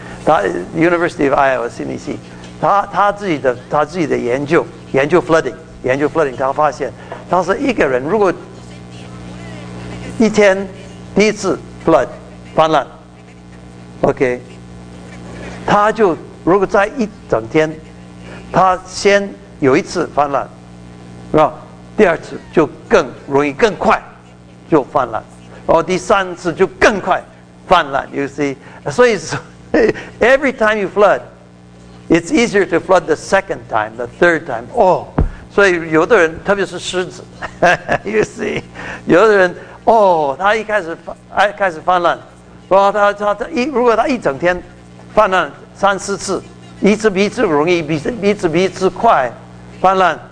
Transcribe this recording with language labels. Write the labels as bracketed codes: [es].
[zh] 他 University of Iowa 悉尼系，他自己的研究 flooding， 研究 flooding， 他发现，他说一个人如果一天第一次 flood 泛滥 ，OK， 他就如果在一整天，他先有一次泛滥，是吧？第二次就更容易更快就泛滥，然后第三次就更快泛滥。 [en] You see， [zh] 所以 [en] every time you flood， it's easier to flood the second time， the third time。 [zh] 哦，所以有的人，特别是狮子， [en] You see， [zh] 有的人哦，他一开始泛滥，然后他如果他一整天泛滥三四次，一次比一次容易，比一次快泛滥。